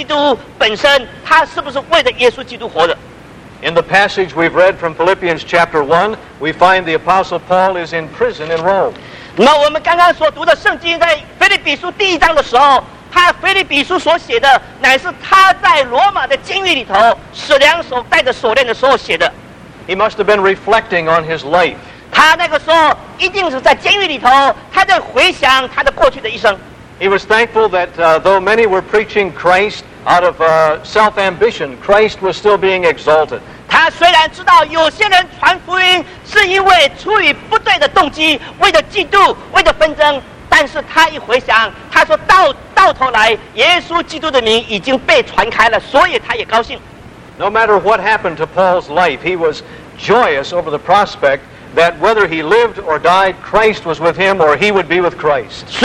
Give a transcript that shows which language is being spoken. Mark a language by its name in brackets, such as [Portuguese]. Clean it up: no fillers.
[Chinese] 他刚刚所讲的这些事情，对他来说，他说是宣告，他这些都是粪土。他所最重要的，这一生当中所最重要的，乃是耶稣基督本身，他是不是为了耶稣基督活着？ [English] In the passage we've read from Philippians chapter 1, we find the Apostle Paul is in prison in Rome. [Chinese] 那我们刚刚所读的圣经在腓立比书第一章的时候，他腓立比书所写的乃是他在罗马的监狱里头，使两手带着锁链的时候写的。 [English] He must have been reflecting on his life. [Chinese] 他那个时候一定是在监狱里头，他在回想他的过去的一生。 [English] He was thankful that though many were preaching Christ out of self-ambition, Christ was still being exalted. [Chinese] 他虽然知道有些人传福音是因为出于不对的动机，为了嫉妒，为了纷争，但是他一回想，他说到头来，耶稣基督的名已经被传开了，所以他也高兴。 [English] No matter what happened to Paul's life, he was joyous over the prospect that whether he lived or died, Christ was with him or he would be with Christ.